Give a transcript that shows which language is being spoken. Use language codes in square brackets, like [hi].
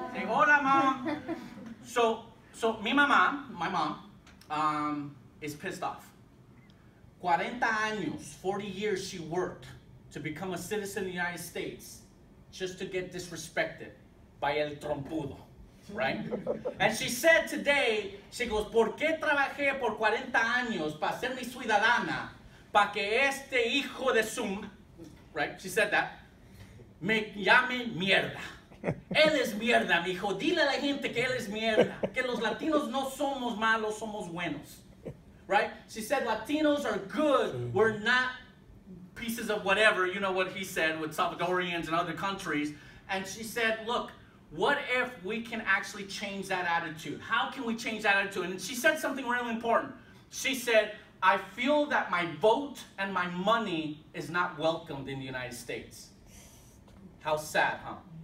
[en] Okay, say hola, mom. So my mom, is pissed off. [es] 40 años, [en] 40 years she worked to become a citizen of the United States, just to get disrespected by [es] el trompudo, [en] right? And she said today, she goes, [es] ¿por qué trabajé por 40 años para ser mi ciudadana, para que este hijo de Zoom, [en] right? She said that, [es] me llame mierda. Él es mierda, mijo. Dile a la gente que él es mierda, que los latinos no somos malos, somos buenos, [en] right? She said, Latinos are good, we're not pieces of whatever, you know what he said, with Salvadorians and other countries. And she said, look, what if we can actually change that attitude? How can we change that attitude? And she said something really important. She said, I feel that my vote and my money is not welcomed in the United States. How sad, huh?